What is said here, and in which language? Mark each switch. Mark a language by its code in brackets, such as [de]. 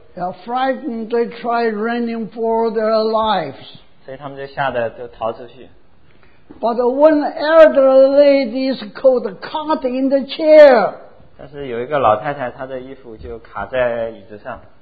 [en] They were frightened, they tried running for their lives. [zh] 所以他们就吓得就逃出去。 [en] But one elderly lady's coat caught in the chair. [zh] 但是有一个老太太，她的衣服就卡在椅子上。